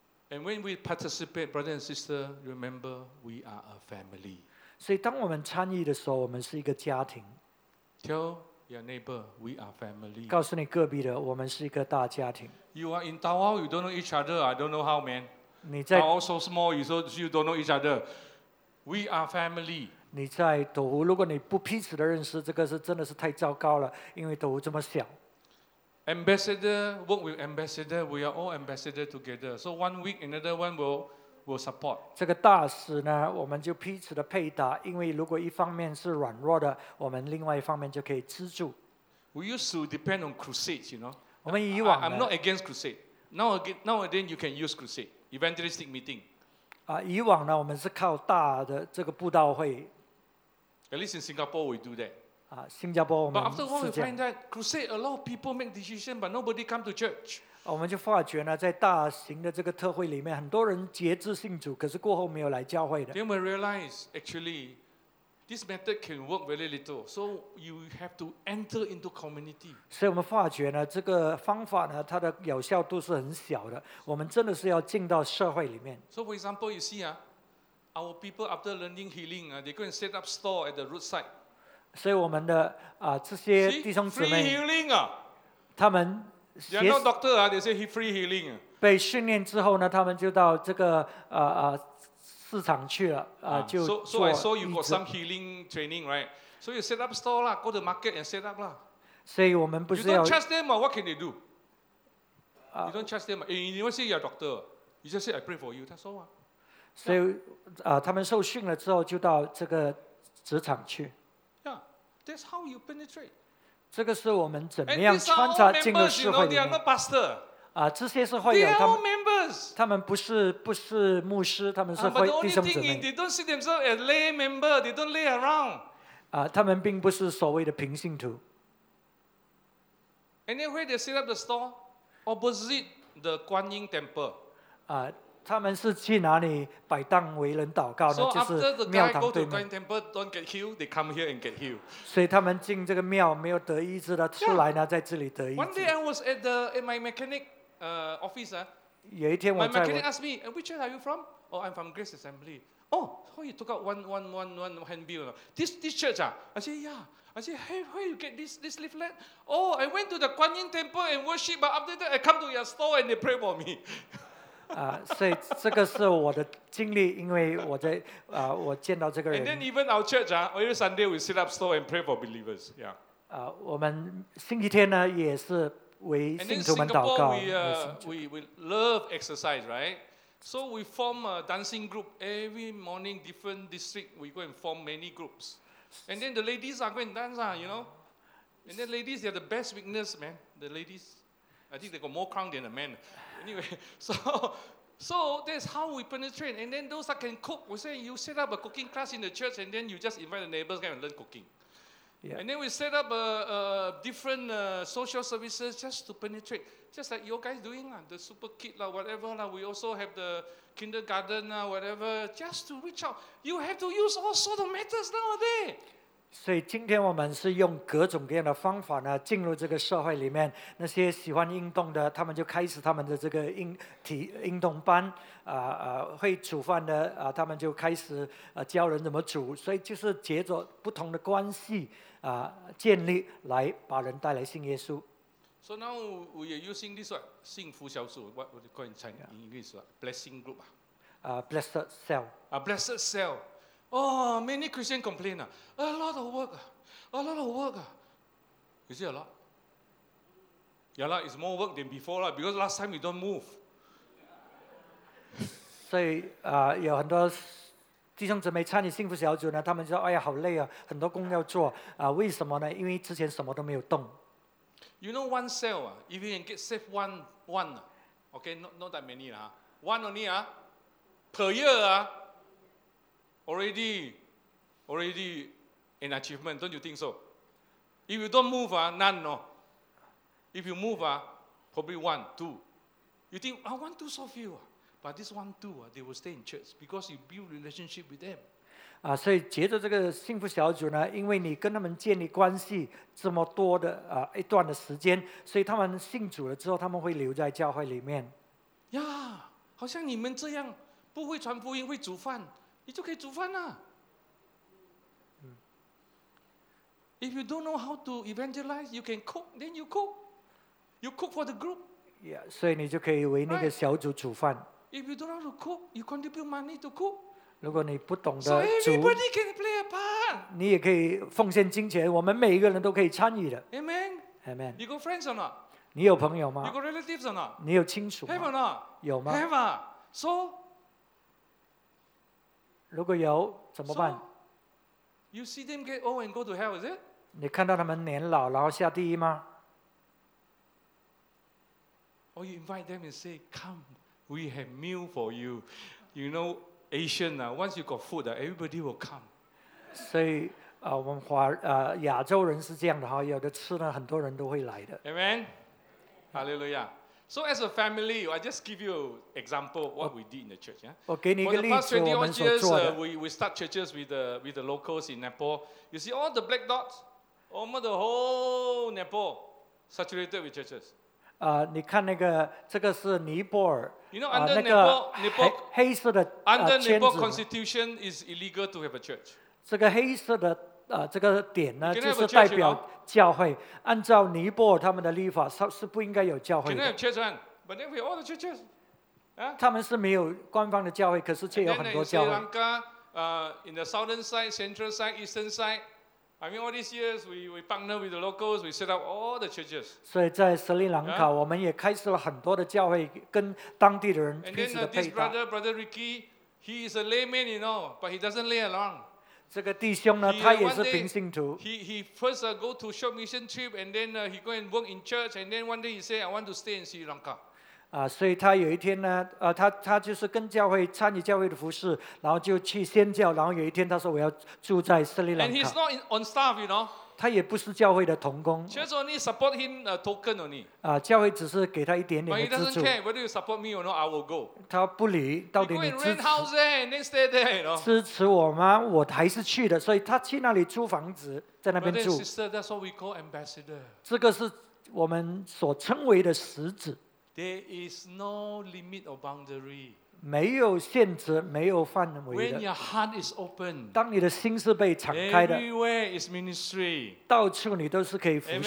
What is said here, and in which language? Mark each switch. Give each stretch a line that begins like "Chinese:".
English: And when we participate, brother and sister, remember we are a family.
Chinese: 所以当我们参与的时候，我们是一个家庭。
English: Tell Your neighbor, we are family.
Chinese: 告诉你隔壁的，我们是一个大家庭。
English: You are in Tawau, you don't know each other. I don't know how, man.
Chinese: 你在
English: Tawau so small, you don't know each other. We are family.
Chinese: 你在斗湖，如果你不彼此的认识，这个是真的是太糟糕了，因为斗湖这么小。
English: Ambassador, work with ambassador. We are all ambassador together. So one week, another one will support.
Chinese: 这个大使呢，我们就彼此的配搭，因为如果一方面是软弱的，我们另外一方面就可以支柱。
English: We used to depend on crusades, you know.
Chinese: 我们以往
English: I'm not against crusade. Nowadays, you can use crusade, evangelistic meeting.
Chinese: 啊，以往呢，我们是靠大的这个布道会。
English: At least in Singapore, we do that.
Chinese: 新加坡我们
English: but after all, we find that crusade, a lot of people make decisions, but nobody come to church.
Chinese: 我们就发觉呢，在大型的这个特会里面，很多人节制信主，可是过后没有来教会的。
English: Then we realize, actually, this method can work very little. So you have to enter into community.
Chinese: 所以我们发觉呢，这个方法呢，它的有效度是很小的。我们真的是要进到社会里面。
English: So for example, you see, our people after learning healing, they go and set up store at the roadside.
Chinese: 所以我们的这些弟兄姊妹
English: See, free healing,
Chinese: 他们
English: They are not doctor, they say free healing.
Chinese: 被训练之后呢他们就到这个市场去了就做
English: 医治 so I saw you got some healing training, right? So you set up store, lah, go to market and set up. Lah.
Chinese: 所以我们不是要
English: You don't trust them, what can they do? You don't trust them. You don't say you're a doctor. You just say I pray for you, that's all.
Chinese: 所以他们受训了之后就到这个职场去。
English: That's how you penetrate.
Chinese: 这个是我们怎么样穿插进入社会里面。
English: And these are all members, you know, they are not pastor.
Chinese: 这些是会友。
English: They are all members.
Chinese: 他们不是牧师，他们是会弟兄姊妹。
English: But the only thing is, they don't see themselves as lay member. They don't lay around.
Chinese: 他们并不是所谓的平信徒。
English: And then where they set up the store, opposite the Guanyin Temple.
Chinese: 他们是去哪里摆档为人祷告呢？
English: So after the guy go to Guanyin Temple, don't get healed, they come here and get healed.
Chinese: 所以他们进这个庙没有得医治的，出来呢在这里得医治。
English: One day I was at my mechanic office.
Chinese: 有一天我在。
English: My mechanic asked me, "Which church are you from?" "Oh, I'm from Grace Assembly." "Oh, you took out one handbill. This church ah?" I said, "Yeah." I said, "Hey, where you get this leaflet?" "Oh, I went to the Guanyin Temple and worship, but after that I come to your store and they pray for me."
Chinese: 所以这个是我的经历，因为我在我见到这个人。
English: And then even our church, every Sunday we set up store and pray for believers. Yeah.
Chinese: 我们星期天呢也是为信徒们祷告。
English: And then Singapore, we love exercise, right? So we form a dancing group every morning, different district. We go and form many groups. And then the ladies are going to dance, you know. And then ladies, they are the best witness, man. The ladies, I think they got more crown than the men. Anyway, so that's how we penetrate. And then those that can cook, we say you set up a cooking class in the church, and then you just invite the neighbors and learn cooking. Yeah. And then we set up a different social services just to penetrate, just like your guys doing, the super kid, whatever. We also have the kindergarten, whatever, just to reach out. You have to use all sorts of methods nowadays.
Chinese: 所以今天我们是用各种各样的方法呢进入这个社会里面。那些喜欢运动的，他们就开始他们的这个运动班。会煮饭的，他们就开始教人怎么煮。所以就是借着不同的关系建立，来把人带来信耶稣。
English: So now we are using this one, 幸福小组。What would you call in English? Blessing group. Blessed cell. Blessed cell. Oh, many Christians complain. A lot of work. A lot of work. Is it a lot? Yeah, it's more work than before, because last time you don't move.
Chinese: So, 有很多弟兄姊妹参与幸福小组呢，他们说，哎呀，好累啊，很多工要做。为什么呢？因为之前什么都没有动。
English: You know one cell, if you can get save one, okay, not that many, one only, per year, Already an achievement, don't you think so? If you don't move, none, no. If you move, probably one, two. You think, I want two so few. But this one, two, they will stay in church because you build relationship with them.
Chinese: 所以接着这个幸福小组呢，因为你跟他们建立关系这么多的一段的时间，所以他们信主了之后，他们会留在教会里面。 Yeah, 好像你们这样不会传福音，会煮饭。你就可以煮饭啦。
English: If you don't know how to evangelize, you can cook, then you cook. You cook for the group.
Chinese: Yeah, 所以你就可以为那个小组煮饭。
English: If you don't know how to cook, you contribute money to cook.
Chinese: 如果你不懂得煮,
English: so everybody can play a part.
Chinese: 你也可以奉献金钱, 我们每一个人都可以参与的。
English: Amen? Amen. You got friends or not?
Chinese: 你有朋友吗?
English: You got relatives or not?
Chinese: 你有亲属吗?
English: Have or not?
Chinese: 有吗?
English: Have. So,
Chinese: 如果有, 怎么办?
English: So, you see them get old and go to hell, is it?
Chinese: 你看到他们年老然后下地狱吗?
English: Or you invite them and say, come, we have meal for you. You know, Asian, once you got food, everybody will come.
Chinese: 所以, 我们华, 亚洲人是这样的, 有的吃呢, 很多人都会来的。
English: Amen? Hallelujah. So as a family, I just give you an example of what we did in the church. Yeah?
Chinese: 我给你一个例子,
English: for the past 21 years, we start churches with the locals in Nepal. You see all the black dots? Almost the whole Nepal saturated with churches.
Chinese: 你看那个, 这个是尼泊尔,
English: you know, under Nepal,
Chinese: 黑色的,
English: under Nepal constitution, is illegal to have a church.
Chinese: 这个黑色的, 这个点呢,
English: you
Chinese: 就是代表教会, 按照尼泊尔他们的立法, 是不应该有教会的。
English: Can I have church, man? But then we have all the churches. Huh?
Chinese: 他们是没有官方的教会, 可是却有很多教会。
English: And then in Sri Lanka, in the southern side, central side, eastern side, I mean, all these years, we partner with the locals, we set up all the churches.
Chinese: 所以在斯里兰卡, yeah? 我们也开始了很多的教会, 跟当地的人彼此的配搭。
English: And then this brother, Brother Ricky, he is a layman, you know, but he doesn't lay along.
Chinese: 这个弟兄呢, 他也是平信徒。
English: He first go to short mission trip, and then he go and work in church, and then one day he say, I want to stay in Sri Lanka.
Chinese: 所以他有一天呢, 他就是跟教会参与教会的服饰, 然后就去宣教, 然后有一天他说我要住在斯里兰卡。
English: And he's not on staff, you know.
Chinese: 他也不是教会的同工。
English: Church only support him a token only.
Chinese: 教会只是给他一点点的资助。
English: But he doesn't care whether you support me or not, I will go.
Chinese: 他不理, 到底你支持,
English: he go and rent house there and then stay there, you know.
Chinese: 支持我吗? 我还是去的, 所以他去那里租房子, 在那边住。
English: Brother and sister, that's what we call ambassador.
Chinese: 这个是我们所称为的使者。
English: There is no limit or boundary.
Chinese: 没有限制, 没有范围的,
English: when your heart is open,
Chinese: 当你的心是被敞开的,
English: everywhere is ministry.
Chinese: 到处你都是可以服侍的。